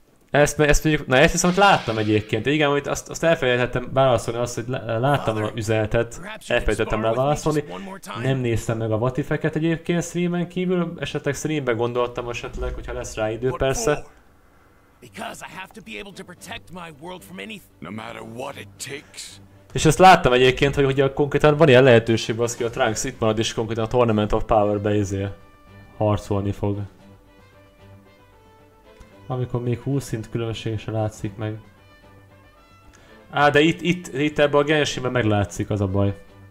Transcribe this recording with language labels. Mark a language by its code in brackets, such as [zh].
[hu] Ezt mondjuk, na ezt viszont láttam egyébként. Igen, amit azt elfelejtettem válaszolni, azt, hogy láttam az üzenetet, elfelejtettem leválaszolni. Nem néztem meg a vatifeket egyébként streamen kívül, esetleg streambe gondoltam esetleg, hogyha lesz rá idő persze. [en] Because I have to be able to protect my world from anything. No matter what it takes. [hu] És ezt láttam egyébként, hogy konkrétan van ilyen lehetőség, baszki, a Trunks itt marad és konkrétan a Tournament of Power-be harcolni fog. Amikor még 20 szint különbség sem látszik meg. Á, de itt ebben a Genshin-ben meglátszik, az a baj.